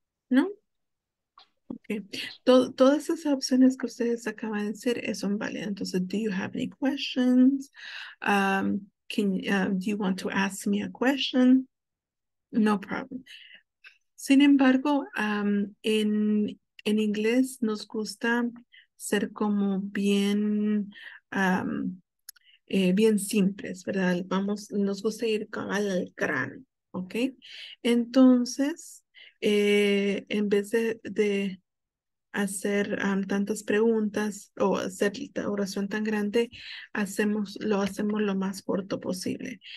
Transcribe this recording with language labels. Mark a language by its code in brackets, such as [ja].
[es] ¿No? Okay. Todas esas opciones que ustedes acaban de decir son válidas. [en] Entonces, do you have any questions? Do you want to ask me a question? No problem. [es] Sin embargo, en inglés nos gusta ser como bien, bien simples, ¿verdad? Nos gusta ir al grano, ¿ok? Entonces, en vez de hacer tantas preguntas o hacer la oración tan grande, hacemos lo más corto posible.